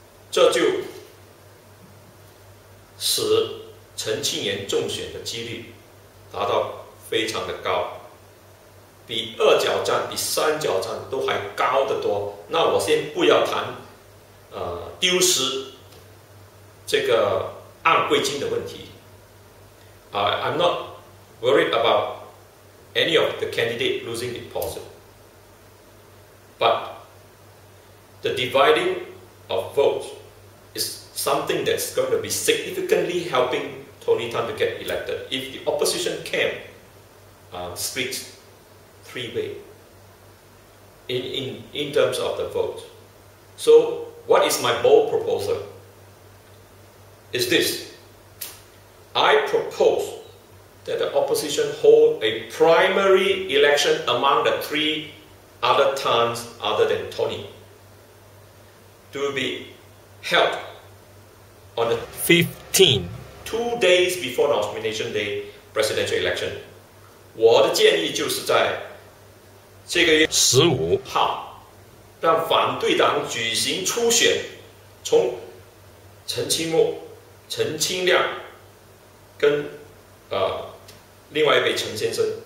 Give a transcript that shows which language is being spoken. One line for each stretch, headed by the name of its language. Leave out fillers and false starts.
Chinese: 这就使陈庆炎中选的几率达到非常的高，比二角战比三角战都还高得多。那我先不要谈丢失这个按贵金的问题。
English: I'm not worried about any of the candidate losing deposit. But the dividing of votes is something that's going to be significantly helping Tony Tan to get elected. If the opposition camp splits three-way in terms of the vote. So what is my bold proposal? Is this. I propose that the opposition hold a primary election among the three other Tans other than Tony to be held on the 15th, 2 days before nomination day presidential election.
Chinese: 我的建议就是在这个月 15 号让反对党举行初选，从陈清木、陈清亮跟另外一位陈先生，